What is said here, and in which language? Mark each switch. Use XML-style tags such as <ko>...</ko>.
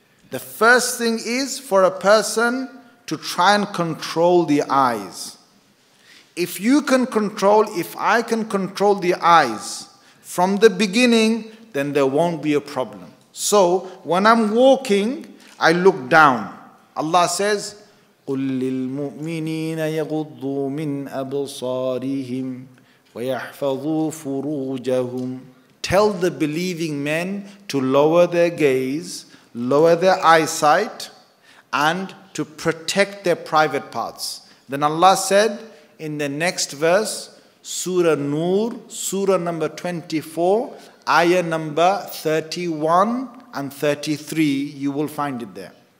<en>The first thing is for a person to try and control the eyes. If you can control, if I can control the eyes from the beginning, then there won't be a problem. So when I'm walking, I look down. Allah says,</en> <ar>قُلْ لِلْمُؤْمِنِينَ يَغُضُّوا مِنْ أَبْصَارِهِمْ وَيَحْفَظُوا فُرُوجَهُمْ.</ar> <en>Tell the believing men to lower their gaze, lower their eyesight, and to protect their private parts. Then Allah said in the next verse, Surah Nur, Surah number 24, Ayah number 31 and 33, you will find it there.</en>